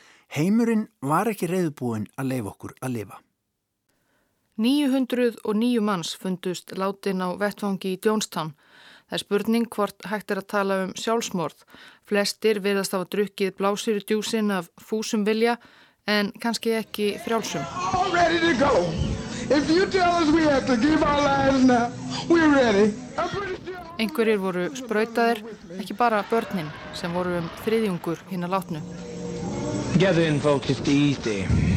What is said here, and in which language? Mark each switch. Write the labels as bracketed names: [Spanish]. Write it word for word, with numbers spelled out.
[Icelandic] Heimurinn var ekki reiðubúinn að leyfa okkur að lifa. níu hundruð og níu manns fundust látin á vettfangi í Jonestown. Það er spurning hvort hægt er að tala um sjálfsmorð. Flestir virðast hafa drukkið blásýru djúsin af fúsum vilja, en kannski ekki frjálsum. [English] We're ready to go. If you tell us we have to give our lives now, we're ready. [Icelandic] Einhverjir voru sprautaðir, ekki bara börnin, sem voru um þriðjungur hinna látnu. [English] Gather in, folks, it's easy.